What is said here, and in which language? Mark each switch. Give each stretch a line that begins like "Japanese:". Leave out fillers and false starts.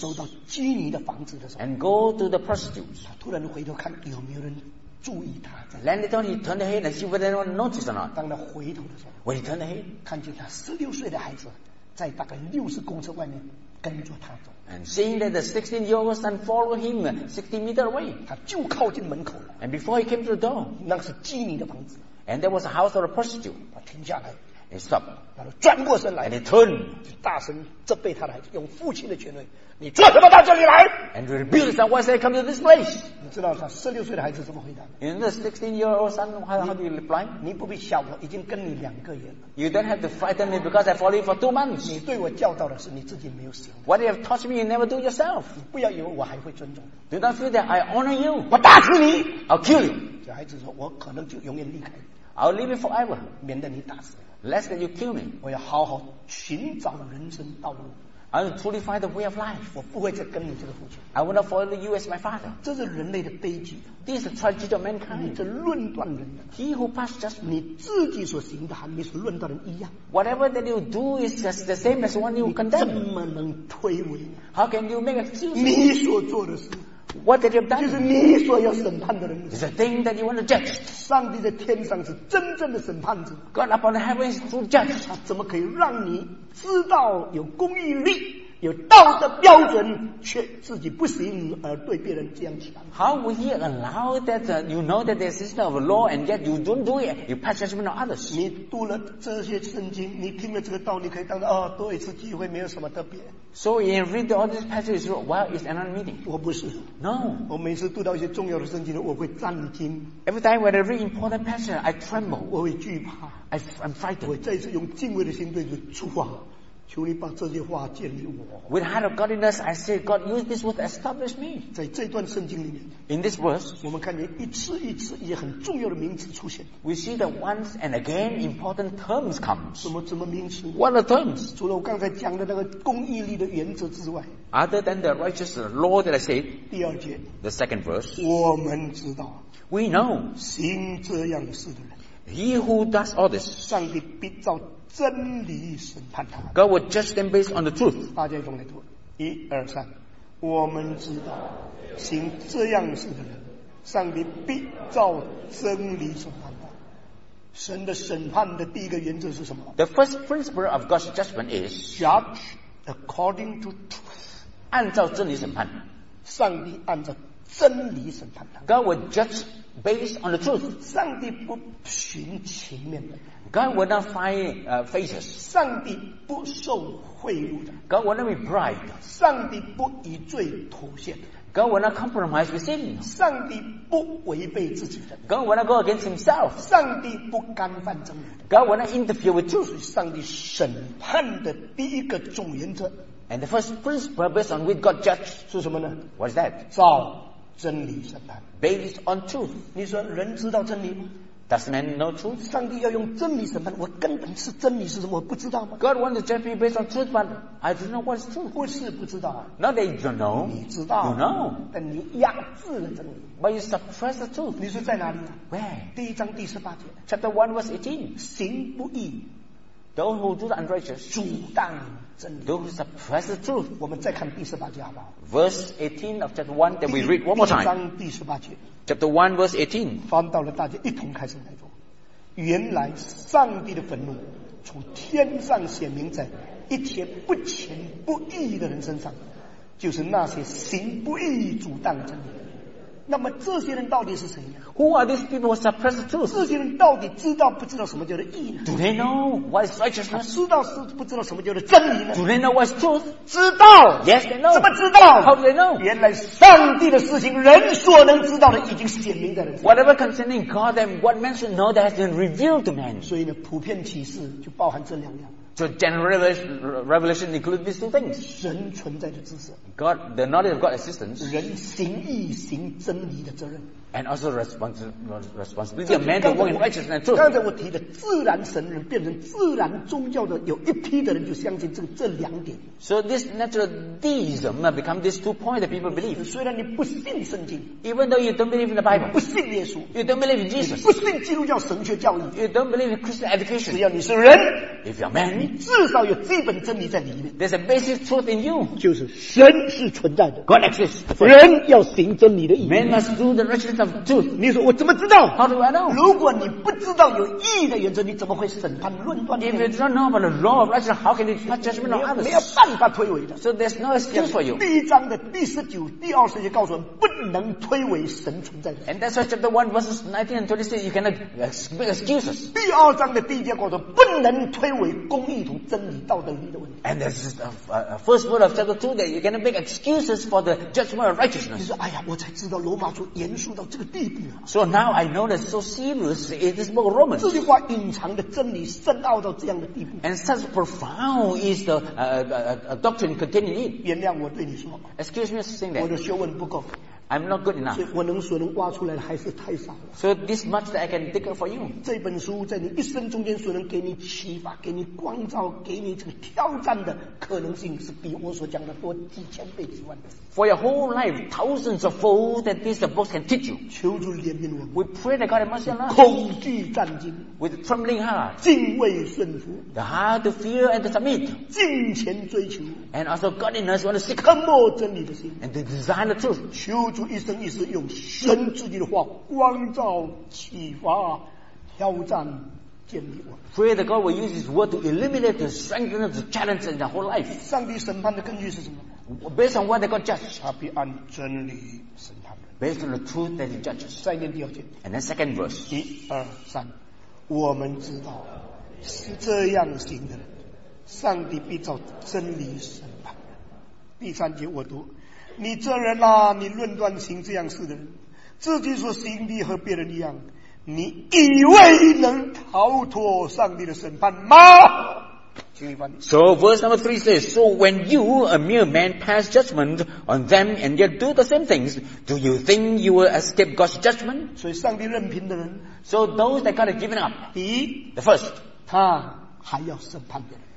Chinese: 走到妓女的房子的时候。
English: And go to the prostitute.
Chinese: 他突然回头看有没有人注意他。
English: Then he turned ahead and see whether anyone noticed or not.
Chinese: 当他回头的时候。
English: When he turned ahead,
Chinese: 看见他16岁的孩子在大概60公尺外面。跟着他走
English: and seeing that the 16-year-old son followed him 60 meters away,
Chinese: 他就靠近门口了
English: and before he came to the door,
Chinese: 那是妓女的房子
English: and there was a house of a prostitute.
Chinese: 他停下来
English: he stopped.
Chinese: 然后转过身来
English: and he turned.
Chinese: 大声责备他的孩子，用父亲的权威，你做什么到这里来？
English: and he rebuked his son, why did you come to this place?
Chinese: 你知道他16岁的孩子怎么回答？
English: in the 16-year-old son, how do you reply?
Chinese: 你不必吓我，已经跟你两个月了。
English: You don't have to frighten me because I follow you for 2 months.
Chinese: 你对我教导的是你自己没有使用。
English: What you have taught me, you never do yourself.
Chinese: 你不要以为我还会尊重。
English: Do not feel that I honor you.
Chinese: 我打死你。
English: I'll kill you.
Chinese: 这孩子说，我可能就永远离开。
English: I'll leave you forever.
Chinese: 免得你打死。
English: Lest that you kill me.
Chinese: 我要好好寻找人生道路。
English: I will truly find the way of life.
Chinese: 我不会再跟你这个父亲。
English: I will not follow you as my father.
Chinese: 这是人类的悲剧。
English: This is the tragedy of mankind.
Chinese: 你这论断人的。
English: He who passed judgment.
Chinese: 你自己所行的和你所论断人一样。
English: Whatever that you do is just the same as one you condemn.
Chinese: 你怎么能推诿？
English: How can you make excuses?
Chinese: 你所做的事。
English: What did you have done?
Chinese: 就是你所要审判的人。
English: It's a thing that you want to judge.
Chinese: 上帝在天上是真正的审判者。
English: God upon the heavens is true judge.
Chinese: 他怎么可以让你知道有公义力、有道德标准，却自己不行而对别人这样讲
English: ？How would he allow that you know that there's a system of law and yet you don't do it? You pass judgment on others.
Chinese: 你读了这些圣经，你听了这个道理，你可以当做哦，多一次机会，没有什么特别。
English: So in reading all these passages, well, it's another meeting.
Chinese: 我不是。
English: No.
Chinese: 我每次读到一些重要的圣经，我会战惊。
English: Every time when I read important passage, I tremble.
Chinese: 我会惧怕。
English: I'm frightened.
Chinese: 我再次用敬畏的心对着主啊。求你把这些话建立我。
English: With heart of godliness, I say, God, use this word to establish me.
Chinese: 在这段圣经里面
English: ，In this verse，
Chinese: 我们看见一次一次一些很重要的名词出现。
English: We see that once and again important terms come.
Chinese: 什么名词
English: ？What are terms？
Chinese: 除了我刚才讲的那个公义力的原则之外
English: ，Other than the righteous law that I said，
Chinese: 第二节
English: ，The second verse，
Chinese: 我们知道
English: ，We know，
Chinese: 行这样事的人
English: ，He who does all this，
Chinese: 上帝必照。真理审判他。
English: God will judge them based on the truth.
Chinese: 大家一同来读，一二三，我们知道，行这样事的人，上帝必照真理审判他。神的审判的第一个原则是什么
English: ？The first principle of God's judgment is judge according to truth.
Chinese: 按照真理审判他。上帝按照真理审判他。
English: God will judge based on the truth.
Chinese: 上帝不寻情面的。
English: God will not find faces.
Chinese: 上帝不受贿赂的。
English: God will not be bribed.
Chinese: 上帝不以罪妥协的。
English: God will not compromise with sin.
Chinese: 上帝不违背自己的。
English: God will not go against himself.
Chinese: 上帝不干犯真理。
English: God will not interfere with truth.
Chinese: 上帝审判的第一个总原则。
English: And the first principle based on which God judged
Chinese: 是什么呢
English: ？What's that?
Chinese: 照真理审判。
English: Based on truth.
Chinese: 你说人知道真理吗？
English: Does man know truth?
Chinese: 上帝要用真理审判，我根本是真理是什么，我不知道吗
English: ？God wants to judge me based on truth, but I don't know what's truth.
Chinese: 不是不知道啊。
English: Not that you don't know.
Chinese: 你知道。
English: You know.
Chinese: 但你压制了真理。
English: But you suppress the truth.
Chinese: 你说在哪里啊
English: ？Where?
Chinese: 第一章第十八节。
English: Chapter 1 verse 18.
Chinese: 行不义。
English: Those who do the unrighteous.
Chinese: 阻挡真理。
English: Those who suppress the truth.
Chinese: 我们再看第十八节好不好
English: ？Verse 18 of chapter 1 that we read one more time.
Chinese: 第一章第十八节。
English: Chapter 1 verse 18
Chinese: 翻到了大家一同开始来读原来上帝的愤怒从天上显明在一切不情不义的人身上就是那些行不义阻挡真理那么这些人到底是谁呢？
English: Who are these people who suppress the truth?
Chinese: 这些人到底知道不知道什么叫做义呢？
English: Do they know what is righteousness?
Chinese: 知道是不知道什么叫做真理呢？
English: Do they know what is truth?
Chinese: 知道。
English: Yes, they know.
Chinese: 怎么知道？
English: How do they know?
Chinese: 原来上帝的事情，人所能知道的已经显明在了。
English: Whatever concerning God and what men should know, that has been revealed to men.
Chinese: 所以呢，普遍启示就包含这两样。
English: So general revelation includes these two things.
Chinese: 人存在的知识。
English: God, the knowledge of God's existence.
Chinese: 人行义行真理的责任。
English: And also responsibility of man to walk in righteousness and truth.
Chinese: 刚才我提的自然神人变成自然宗教的有一批的人就相信这两点。
English: So this natural deism become these two points that people believe.
Chinese: 虽然你不信圣经。
English: Even though you don't believe in the Bible.
Chinese: 不信耶稣。
English: You don't believe in Jesus.
Chinese: 不信基督教神学教义。
English: You don't believe in Christian education.
Chinese: 只要你是人。
English: If you're man.
Chinese: 你至少有基本真理在里面。
English: There's a basic truth in you.
Chinese: 就是神是存在的。
English: God exists.
Chinese: 人要行真理的义。
English: Man must do the righteousness.
Chinese: 你说我怎么知道？
English: How do I know?
Chinese: 如果你不知道有义的原则，你怎么会审判论断？
English: If you don't know about the law of righteousness, how can you pass judgment on others?
Chinese: 没有办法推诿的。
English: So there's no excuse for you.
Chinese: 第一章的第十九、第二十节告诉我们，不能推诿神存在的。
English: And that's why chapter 1 verses 19 and 20 says you cannot make excuses.
Chinese: 第二章的第一节告诉我们，不能推诿公义同真理、道德义的问题。
English: And that's just a first word of chapter 2 that you cannot make excuses for the judgment of righteousness.
Chinese: 你说，哎呀，我才知道罗马书严肃到这个。
English: So now I know that so serious is this book of Romans.
Chinese: 这句话隐藏的真理深奥到这样的地步。
English: And such profound is the doctrine contained in it.
Chinese: 原谅我对你说。
English: Excuse me, saying that.
Chinese: 我的学问不够。
English: I'm not good enough.
Chinese: 我能所能挖出来的还是太少了。
English: So this much that I can dig up for you.
Chinese: 这本书在你一生中间所能给你启发、给你光照、给你这个挑战的可能性，是比我所讲的多几千倍、几万倍。
English: For your whole life, thousands of fold that this book can teach you.
Chinese: 求主怜悯我。
English: We pray that God have mercy on us.
Chinese: 恐惧战惊。
English: With trembling heart.
Chinese: 敬畏顺服。
English: The heart to fear and to submit.
Chinese: 敬虔追求。
English: And also godliness, want to seek.
Chinese: 渴慕真理的心。
English: And to desire the truth.
Chinese: 求主一生一世用神自己的话光照启发挑战建立我。
English: Pray that God will use His word to illuminate the strength and the challenge in the whole life.
Chinese: 上帝审判的根据是什么？
English: Based on what that God judges.
Chinese: 他必按真理审判人。
English: Based on the truth that He judges.
Chinese: 再念第二节。
English: And then second verse.
Chinese: 一二三，我们知道是这样行的人，上帝必照真理审判人。第三节我读。你这人啊，你论断行这样事的人，自己所行的和别人一样，你以为能逃脱上帝的审判吗？
English: So verse number 3 says, so when you, a mere man, pass judgment on them and yet do the same things, do you think you will escape God's judgment?
Chinese: 所以上帝任凭的人，
English: so those that God has given up,
Chinese: 第一，
English: the first,
Chinese: 他还要审判别人，